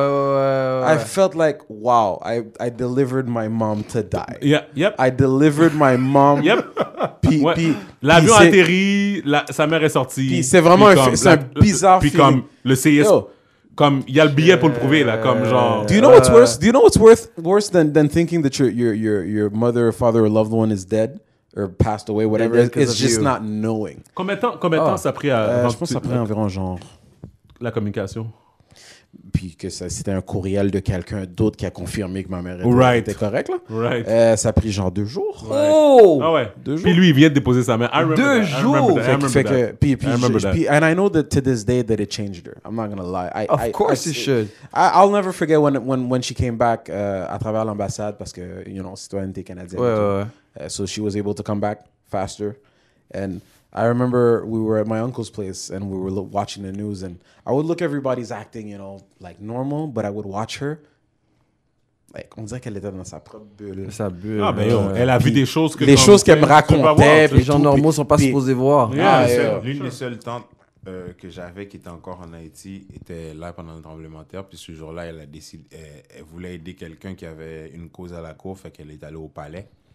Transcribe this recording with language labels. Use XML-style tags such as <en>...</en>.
<en>I felt like, wow, I delivered my mom to die. Yep. I delivered my mom. Yep.</en> <fr>Puis l'avion a atterri, sa mère est sortie. Puis c'est vraiment un bizarre puis Puis comme le CIS... Yo. Comme il y a le billet pour le prouver là, comme genre.</fr> <en>Do you know what's worse? Do you know what's worse than thinking that your mother, or father, or loved one is dead or passed away, whatever? It's just not knowing.</en> <fr>Combien de temps ça a pris à? Ça a pris environ genre la communication. Puis que ça, c'était un courriel de quelqu'un d'autre qui a confirmé que ma mère était correcte là.</fr> <en>Right.</en> <fr>Ça a pris genre 2 jours. Ouais. Oh. Ah ouais. 2 jours. Puis lui il vient de déposer sa mère.</fr> <en>Puis and I know that to this day that it changed her. I'm not gonna lie. Of course it should. I'll never forget when she came back</en> <fr>à travers l'ambassade parce que</fr> <en>you know</en> <fr>citoyenneté canadienne. Ouais.</fr> <en>So she was able to come back faster and. I remember we were at my uncle's place and we were watching the news and I would look everybody's acting, you know, like normal, but I would watch her.</en> <fr>Like, on dirait qu'elle était dans sa propre bulle. Sa bulle. Ah ben, yo, elle a vu des choses que... Les choses qu'elle me racontait. Les gens normaux sont pas supposés voir. L'une des seules tantes que j'avais qui était encore en Haïti était là pendant le tremblement de terre. Puis ce jour-là, elle voulait aider quelqu'un qui avait une cause à la cour, fait qu'elle est allée au palais.</fr>